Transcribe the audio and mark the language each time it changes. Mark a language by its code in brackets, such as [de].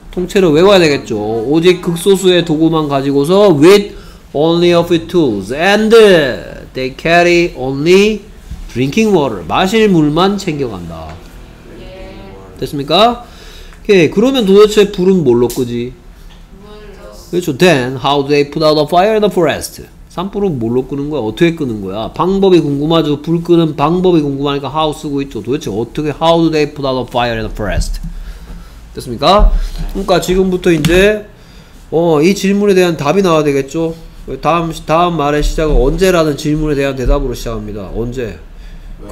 [ko] 통째로 외워야 되겠죠. 오직 극소수의 도구만 가지고서 [en] With only a few tools. And they carry only drinking water. [ko] 마실 물만 챙겨간다. 됐습니까? 오케이. 그러면 도대체 불은 뭘로 끄지? 그렇죠. [en] Then how do they put out a fire in the forest? [ko] 산불은 뭘로 끄는 거야? 어떻게 끄는 거야? 방법이 궁금하죠. 불 끄는 방법이 궁금하니까 how 쓰고 있죠. 도대체 어떻게 [en] how do they put out a fire in the forest? [ko] 됐습니까? 그러니까 지금부터 이제 이 질문에 대한 답이 나와야 되겠죠. 다음 말의 시작은 언제라는 질문에 대한 대답으로 시작합니다. 언제? 왜?